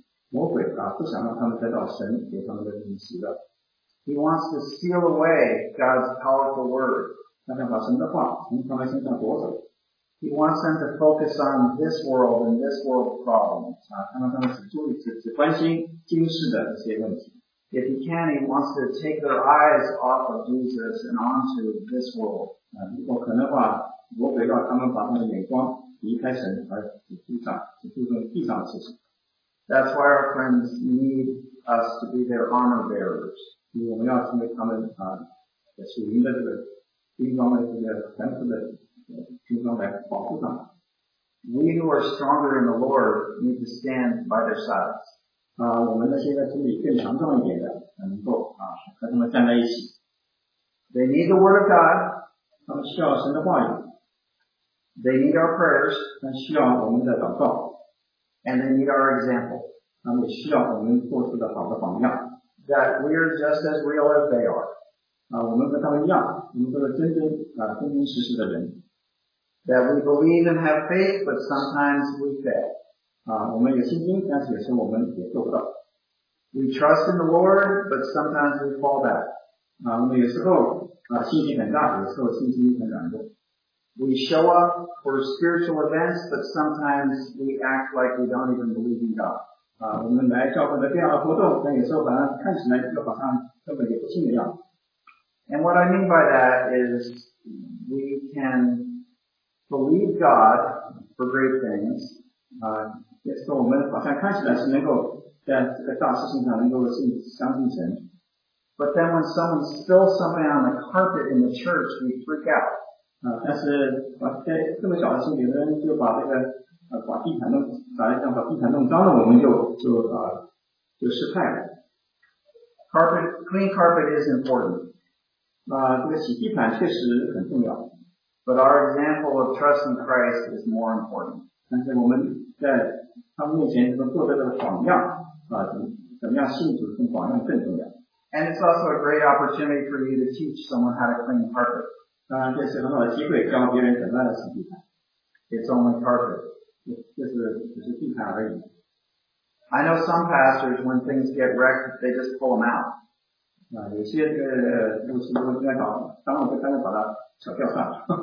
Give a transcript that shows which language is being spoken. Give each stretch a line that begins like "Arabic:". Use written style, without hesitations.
Chinese: 魔鬼不想让他们得到神给他们的喜乐。
English: He wants to steal away God's powerful word.
Chinese: 他想把神的话从他们心上夺走。
English: He wants them to focus on this world and this world's problems.
Chinese: 让他们只关心今世的这些问题。
English: If he can, he wants to take their eyes off of Jesus and onto this world.
Chinese: 如果可能的话，魔鬼要他们把他们的眼光离开神，而只注重地上的事情。
English: That's why our friends need us to be their honor bearers.
Chinese: 因为我们要成为他们属灵的这个军装的这个全副的军装来保护他们。
English: We who are stronger in the Lord need to stand by their sides.
Chinese: 我们那些在心里更强壮一点的能够和他们站在一起。
English: They need the word of God.
Chinese: 他们需要神的话语。
English: They need our prayers.
Chinese: 他们需要我们的祷告。
English: And they need our example.
Chinese: 他们需要我们做出的好的榜样。
English: That we are just as real as they are.
Chinese: 我们和他们一样，我们都是真真实实的人。
English: That we believe and have faith, but sometimes we fail.
Chinese: 我们有信心，但是有时候我们也做不到。
English: We trust in the Lord, but sometimes we fall back.
Chinese: 我们有时候信心很大，有时候信心很软弱。
English: We show up for spiritual events, but sometimes we act like we don't even believe in God.
Chinese: 我们来教会的这样的活动，但有时候反而看起来就好像根本就不信的样子。
English: And what I mean by that is we can believe God for great things.
Chinese: 也是说我们好像看起来是能够在这个大事情上能够是相信神。
English: But then when someone spills something on the carpet in the church, we freak out.
Chinese: 但是在这么小的事情，有的人就把这个把地毯弄洒了一样，把地毯弄脏了，我们就失态了。
English: Clean carpet is important.
Chinese: 这个洗地毯确实很重要。
English: But our example of trust in Christ is more important.
Chinese: 但是我们在他们面前所做的这个榜样啊，怎么样信主跟榜样更重要。
English: And it's also a great opportunity for you to teach someone how to clean carpet.
Chinese: 当然，这是很好的机会，教别人怎么样洗地毯。
English: It's only carpet.
Chinese: 就是地毯而已。
English: I know some pastors, when things get wrecked, they just pull them out.
Chinese: 啊，有些这个牧师他们就在搞，当然就干脆把它扯掉算了。